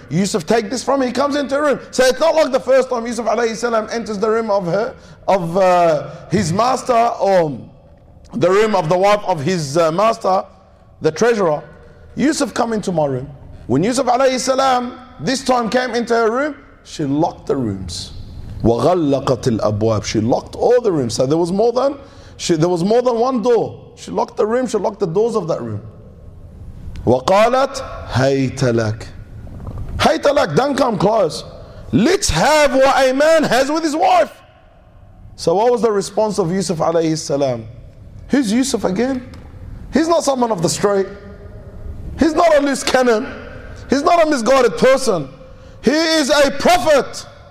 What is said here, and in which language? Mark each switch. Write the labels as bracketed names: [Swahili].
[English] Yusuf, take this from me. He comes into her room. So it's not like the first time Yusuf alayhi salam enters the room of her, of his master, or the room of the wife of his master, the treasurer. Yusuf, come into my room. When Yusuf alayhi salam this time came into her room, she locked the rooms. [Arabic] وَغَلَّقَتِ الْأَبْوَابِ [English] She locked all the rooms. So there was more than one door. She locked the room, she locked the doors of that room. [Arabic] وَقَالَتْ هَيْتَ لَكَ هَيْتَ لَكَ [English] Don't come close. Let's have what a man has with his wife. So what was the response of Yusuf alayhi salam? Who's Yusuf again? He's not someone of the street. He's not a loose cannon. He's not a misguided person. He is a prophet.